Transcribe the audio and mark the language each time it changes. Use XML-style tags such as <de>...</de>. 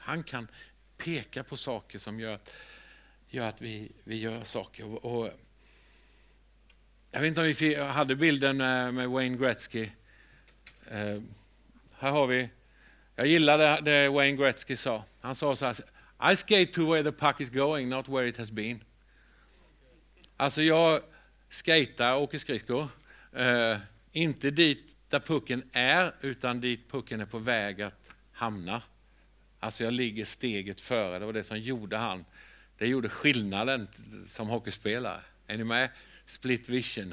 <sv>Han kan peka på saker som gör att vi gör saker. Och jag vet inte om vi hade bilden med Wayne Gretzky. Här har vi. Jag gillade det Wayne Gretzky sa. Han sa så här.</sv> <en>I skate to where the puck is going, not where it has been.</en> <sv>Alltså jag skatar och åker skridskor. Inte dit där pucken är, utan dit pucken är på väg att hamna. Alltså jag ligger steget före. Det var det som gjorde han. Det gjorde skillnaden som hockeyspelare. Är ni med?</sv> <en>Split vision.</en>